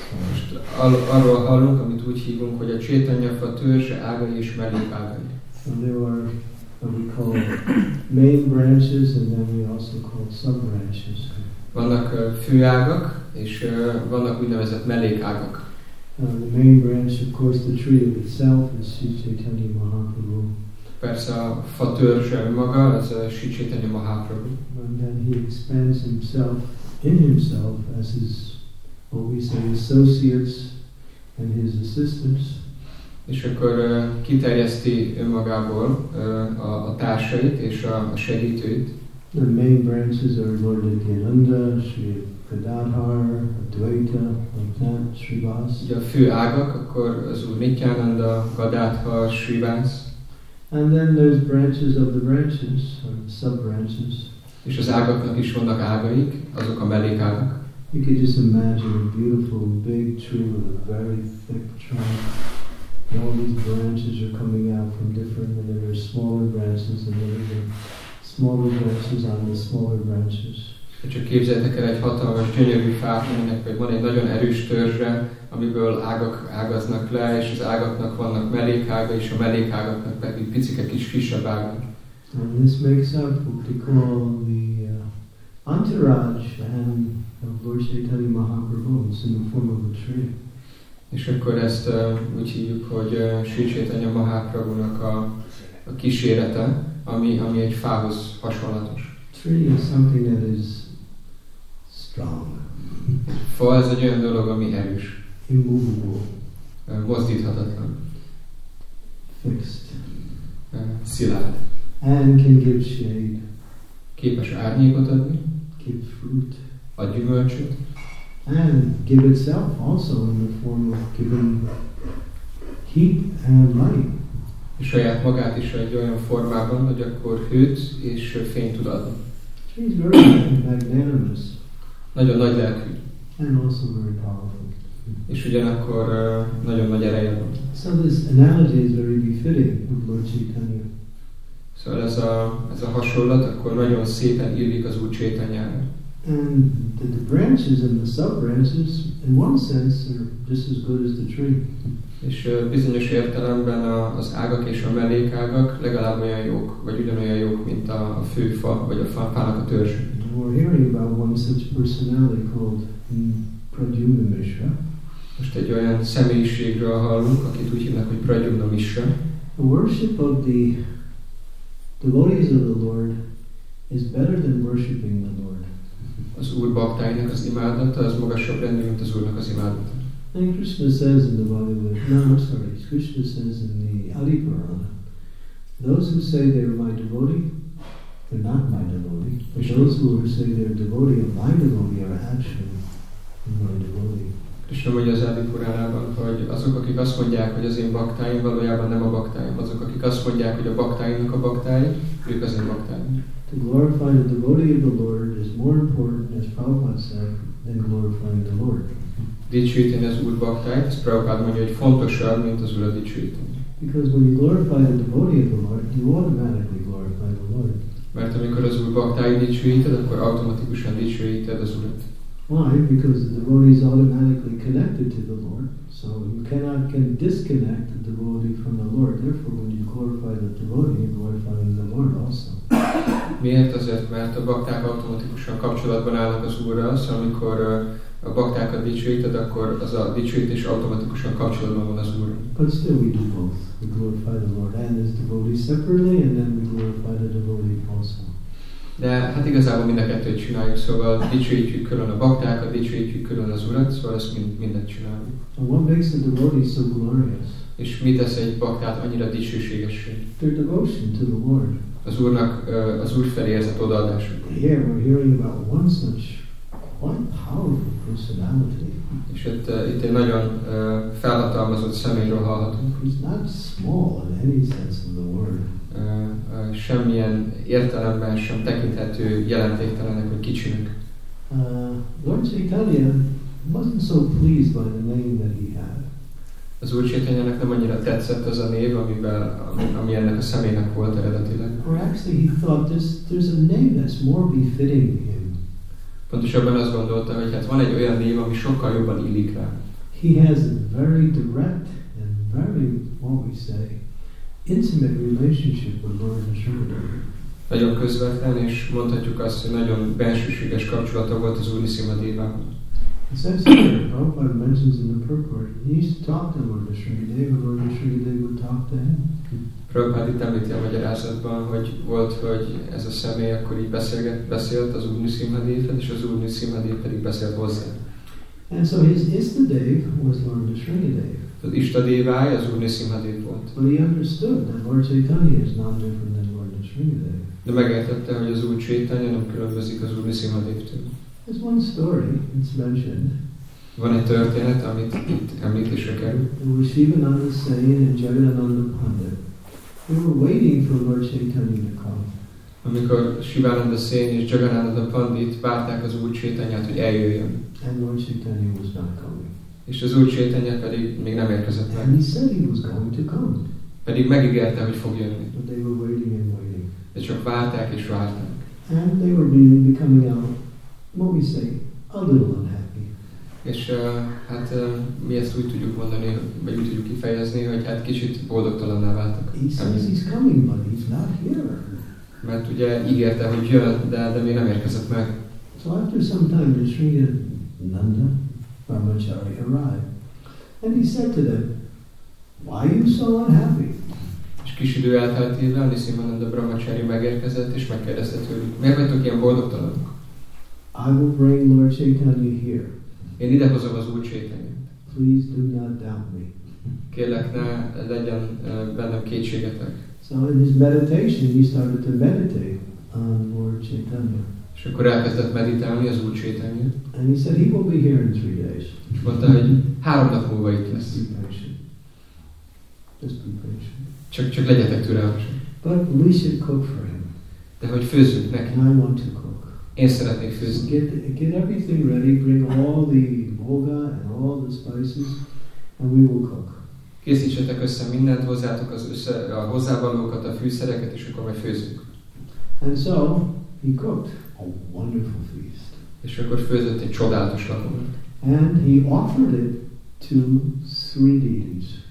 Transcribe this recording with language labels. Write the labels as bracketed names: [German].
[Hungarian] Most arról hallunk, amit úgy hívunk, hogy a Chaitanya fa törzse, ágai és mellékágai. [English] So there are what we call main branches, and then we also call sub-branches. [Hungarian] Vannak főágak, és vannak úgynevezett mellékágak. [English] The main branch, of course, the tree of itself is Sri Chaitanya Mahaprabhu. [Hungarian] Persze a fa törzse maga, az Sri Chaitanya Mahaprabhu. [English] And then he expands himself in himself as his what we say associates and his assistants. [Hungarian] És akkor kiterjeszti önmagából a társait és a segítőit. [English] The main branches are Lord Nityananda, Sri Gadadhar, Advaita, like that, Sri Vas. [Hungarian] A fő ágak, akkor az Úr Nityananda, Gadadhar, Sri Vas. [English] And then there's branches of the branches, or the sub-branches. [Hungarian] És az ágaknak is vannak ágaik, azok a mellékágak. [English] You can just imagine a beautiful big tree with a very thick trunk. And all these branches are coming out from different, and then there are smaller branches, and then there are smaller branches on the smaller branches. [Hungarian] Csak képzeljétek el egy hatalmas, gyönyörű fát, aminek van egy nagyon erős törzse, amiből ágak ágaznak le, és az ágaknak vannak mellékága, és a mellékágaknak pedig picike kis kisebb ágak. [English] And this makes up what we call the entourage and Lord Chaitanya Mahaprabhu in the form of a tree. [Hungarian] És akkor ezt úgy hívjuk, hogy Sri Chaitanya Mahaprabhunak a kísérete, ami egy fához hasonlatos. [English] Tree is something that is strong. [Hungarian] Fa ez egy olyan dolog, ami erős. [English] Immovable. [Hungarian] Mozdíthatatlan. [English] Fixed. [Hungarian] Szilárd. [English] And can give shade. [Hungarian] Képes árnyékot adni. [English] Give fruit. [Hungarian] A gyümölcsöt. [English] And give itself also in the form of giving heat and light. [Hungarian] És saját magát is egy olyan formában, hogy akkor hőt és fényt tud adni. [English] He's very magnanimous. [Hungarian] Nagyon nagy lelkű. [English] And also very powerful. [Hungarian] És ugyanakkor nagyon nagy ereje van. [English] So this analogy is very befitting with Lord Chaitanya. [Hungarian] Szóval ez a hasonlat akkor nagyon szépen illik az Úr Chaitanyára. [English] And the branches and the sub-branches, in one sense, are just as good as the tree. [Hungarian] És bizonyos értelemben az ágak és a mellékágak legalább olyan jók, vagy ugyanolyan jók, mint a főfa, vagy a fának a törzs. [English] We're hearing about one such personality called Pradyumna Mishra. [Hungarian] Most egy olyan személyiségről hallunk, akit úgy hívnak, hogy Pradyumna Mishra. [English] The worship of the devotees of the Lord is better than worshiping the Lord. [Hungarian] Az Úr baktáinak az imádata, az magasabb rendű, mint az Úrnak az imádata. [English] And Krishna says in the Bhagavad Gita, no, sorry, Krishna says in the Adi Purana, those who say they are my devotee, they're not my devotee, but those who say they're devotee of my devotee are actually my devotee. [Hungarian] Krishna mondja az Adi Puránában, hogy azok, akik azt mondják, hogy az én baktáim, valójában nem a baktáim. Azok, akik azt mondják, hogy a baktáimnak a baktái, ők az én baktáim. [English] To glorify the devotee of the Lord is more important, as Prabhupada said, than glorifying the Lord. [Hungarian] Dicsőíteni az Úr baktáit, ezt Prabhupada mondja, hogy fontosabb, mint az Úrat dicsőíteni. [English] Because when you glorify the devotee of the Lord, you automatically glorify the Lord. [Hungarian] Mert amikor az Úr baktáit dicsőíted, akkor automatikusan dicsőíted az Úrat. [English] Why? Because the devotee is automatically connected to the Lord, so you cannot can disconnect the devotee from the Lord. Therefore, when you glorify the devotee, you glorify the Lord also. [Hungarian] Miért? Azért, mert a bakták automatikusan kapcsolatban állnak az Úrral, szóval amikor a baktákat dicsőíted, akkor az a dicsőítés automatikusan kapcsolatban van az Úrral. [English] But still we do both. We glorify the Lord and his devotee separately, and then we glorify the devotee also. [Hungarian] De hát igazából mind a kettőt csináljuk, szóval dicsőítjük külön a baktákat, dicsőítjük külön az Urat, szóval ezt mindet csináljuk. [English] And what makes the devotee so glorious? [Hungarian] És mit tesz egy baktát annyira dicsőségessé? [English] Their devotion to the Lord. [Hungarian] Az Úrnak, az Úr felé érzett odaadásuk. [English] Here we're hearing about one such quite powerful personality. [Hungarian] És itt egy nagyon felhatalmazott személyről hallhatunk. [English] He's not small in any sense of the word. [Hungarian] Semmilyen értelemben sem tekinthető jelentéktelenek vagy kicsinek. [English] Lord Chaitanya wasn't so pleased by the name that he had. [Hungarian] Az Úr Chaitanyának nem annyira tetszett az a név, ami ennek a személynek volt eredetileg. [English] Or actually he thought there's a name that's more befitting him. [Hungarian] Pontosabban azt gondolta, hogy hát van egy olyan név, ami sokkal jobban illik rá. [English] He has a very direct and very, what we say, intimate relationship with Lord Nityananda. [Hungarian] Nagyon közvetlen, és mondhatjuk azt, hogy nagyon bensőséges kapcsolata volt az Úr Nityanandával. [English] It says here, Prabhupada mentions in the purport, he used to talk to Lord Nityanandava, Lord Nityanandava would talk to him. [Hungarian] Prabhupada itt említi a magyarázatban, hogy volt, hogy ez a személy akkor így beszélt az Úr Nityanandával, és az Úr Nityanandava pedig beszélt hozzá. [English] And so his Ishtadev was Lord Srinidev. [Hungarian] Tehát Ishtadevai az Úr Nisimhadev volt. [English] But he understood that Lord Chaitanya is not different than Lord Srinidev. [Hungarian] De megértette, hogy az Úr Chaitanya nem különbözik az Úr Nisimhadevtől. [English] There's one story that's mentioned. [Hungarian] Van egy történet, amit itt említésre kerül. [English] Lord Shivananda Sen and Jagannanda Pandit. We were waiting for Lord Chaitanya to come. [Hungarian] Amikor Shivananda Sen és Jagannanda Pandit várták az Úr Chaitanyát, hogy eljöjjön. [English] And Lord Chaitanya was not coming. [Hungarian] És az Úr Chaitanya pedig még nem érkezett meg. [English] And he said he was going to come. [Hungarian] Pedig megígérte, hogy fog jönni. [English] But they were waiting and waiting. [Hungarian] De csak várták és várták. [English] And they were becoming out, what we say, a little unhappy. [Hungarian] És hát mi ezt úgy tudjuk mondani, vagy úgy tudjuk kifejezni, hogy hát kicsit boldogtalanná váltak. [English] He says he's coming, but he's not here. [Hungarian] Mert ugye ígérte, hogy jön, de még nem érkezett meg. [English] So after some time, the Sri Nanda Brahmachari arrived. And he said to them, why are you so unhappy? [Hungarian] És kis idő elteltével Nisimananda Brahmachari megérkezett, és megkérdezte tőlük, miért vagytok ilyen boldogtalanok? [English] I will bring Lord Chaitanya here. [Hungarian] Én idehozom az Úr Chaitanyát. [English] Please do not doubt me. [Hungarian] Kérlek, ne legyen bennem kétségetek. [English] So in his meditation, he started to meditate on Lord Chaitanya. [Hungarian] És akkor elkezdett meditálni az Úr Chaitanya. [English] And he said, he will be here in 3 days. [Hungarian] És mondta, hogy 3 nap múlva itt lesz. [English] Just be patient. Just be patient. [Hungarian] Csak legyetek türelmesek. [English] But we should cook for him. [Hungarian] De hogy főzzünk neki. [English] And I want to cook. [Hungarian] Én szeretnék főzni. [English] Get everything ready, bring all the bhoga and all the spices, and we will cook. [Hungarian] Készítsetek össze mindent, hozzátok az össze, a hozzávalókat, a fűszereket, és akkor majd főzünk. [English] And so, he cooked a wonderful feast. [Hungarian] És akkor főzött egy csodálatos lakomát. [English] And he offered it to 3 deities.